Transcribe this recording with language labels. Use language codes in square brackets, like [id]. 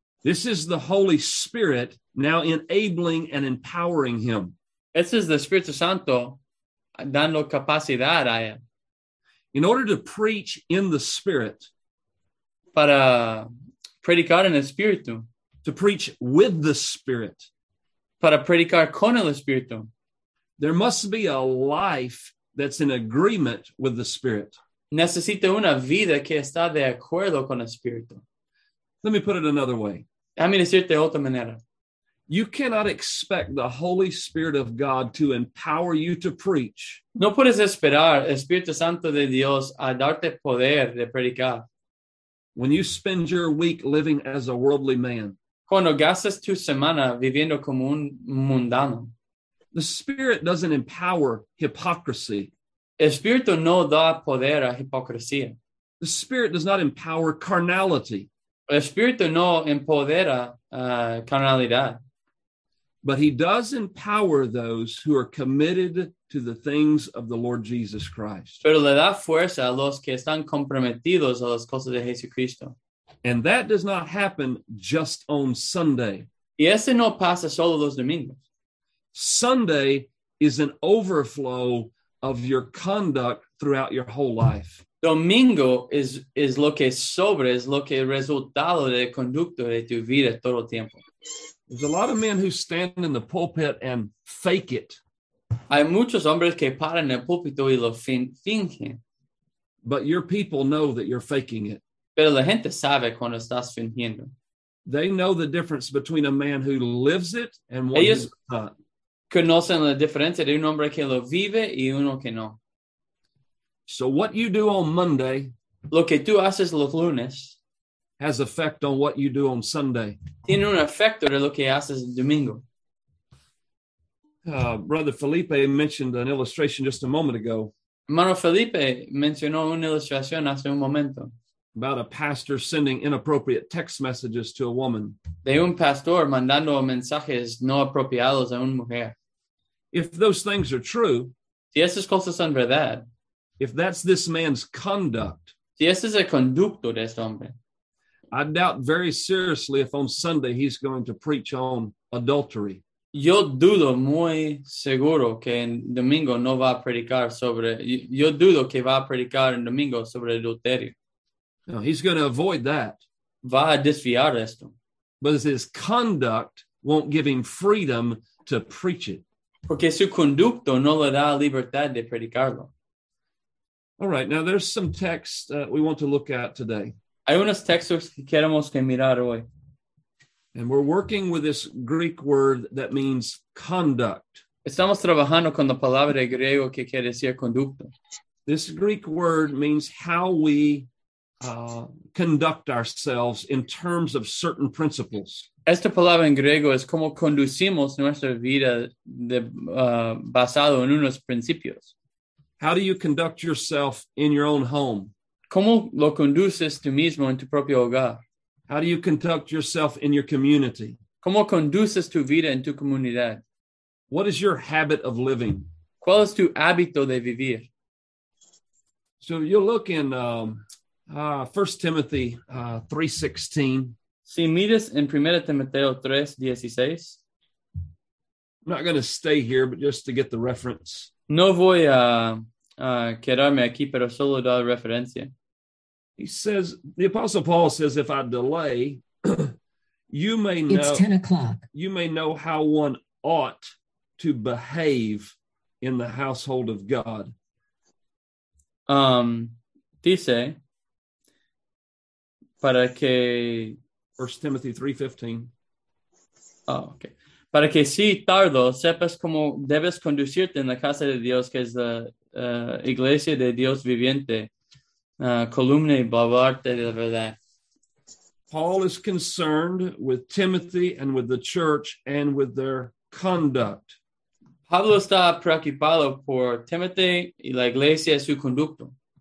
[en] this is the Holy Spirit now enabling and empowering him. [es] Este es el Espíritu Santo dando capacidad a él. [en] In order to preach in the Spirit, [es] para predicar en el Espíritu, [en] to preach with the Spirit, [es] para predicar con el Espíritu, [en] there must be a life that's in agreement with the Spirit. [es] Necesita una vida que está de acuerdo con el Espíritu. [en] Let me put it another way. [es] Déjame decirte de otra manera. [en] You cannot expect the Holy Spirit of God to empower you to preach. [es] No puedes esperar el Espíritu Santo de Dios a darte poder de predicar. [en] When you spend your week living as a worldly man. [es] Cuando gastas tu semana viviendo como un mundano. [en] The Spirit doesn't empower hypocrisy. [es] El Espíritu no da poder a hipocresía. [en] The Spirit does not empower carnality. [es] El Espíritu no empodera carnalidad. [en] But he does empower those who are committed to the things of the Lord Jesus Christ. [es] Pero le da fuerza a los que están comprometidos a las cosas de Jesucristo. [en] And that does not happen just on Sunday. [es] Y ese no pasa solo los domingos. [en] Sunday is an overflow of your conduct throughout your whole life. [es] Domingo es lo que sobra, es lo que resultado de conducto de tu vida todo el tiempo. [en] There's a lot of men who stand in the pulpit and fake it. [es] Hay muchos hombres que paran en el púlpito y lo fingen. [en] But your people know that you're faking it. [es] Pero la gente sabe cuando estás fingiendo. [en] they know the difference between a man who lives it and one [es] ellos [en] who [es] conocen la diferencia de un hombre que lo vive y uno que no. [en] So what you do on Monday, [es] lo que tú haces los lunes, [en] has effect on what you do on Sunday. [es] Tiene un efecto de lo que haces el domingo. [en] Brother Felipe mentioned an illustration just a moment ago. [es] Hermano Felipe mencionó una ilustración hace un momento. [en] About a pastor sending inappropriate text messages to a woman. [es] De un pastor mandando mensajes no apropiados a una mujer. [en] If those things are true, [es] si esas cosas son verdad, [en] if that's this man's conduct, [es] si ese es el conducto de este hombre, [en] I doubt very seriously if on Sunday he's going to preach on adultery. [es] Yo dudo muy seguro que en domingo no va a predicar sobre, yo dudo que va a predicar en domingo sobre adulterio. [en] No, he's going to avoid that. [es] Va a desviar esto. [en] But his conduct won't give him freedom to preach it. [es] Porque su conducto no le da libertad de predicarlo. [en] All right, now there's some text we want to look at today. [es] Hay unos textos que queremos que mirar hoy. [en] And we're working with this Greek word that means conduct. [es] Estamos trabajando con la palabra griego que quiere decir conducto. [en] This Greek word means how we conduct ourselves in terms of certain principles. [es] Esta palabra en griego es cómo conducimos nuestra vida de, basado en unos principios. [en] How do you conduct yourself in your own home? [es] ¿Cómo lo conduces tú mismo en tu propio hogar? [en] How do you conduct yourself in your community? [es] ¿Cómo conduces tu vida en tu comunidad? [en] What is your habit of living? [es] ¿Cuál es tu hábito de vivir? [en] So you look in 1 Timothy 3:16. [es] Si miras en 1 Timoteo 3:16. [en] I'm not going to stay here, but just to get the reference. [es] No voy a quedarme aquí, pero solo dar referencia. [en] He says, the Apostle Paul says, if I delay, you may know. It's 10 o'clock. You may know how one ought to behave in the household of God. [es] Dice, para que. [en] 1 Timothy 3:15. Oh, okay. [es] Para que si tardo, sepas cómo debes conducirte en la casa de Dios, que es la iglesia de Dios viviente, columna y baluarte de la verdad. [en] Paul is concerned with Timothy and with the church and with their conduct. [es] Pablo está preocupado por Timothy y la iglesia y su conducto.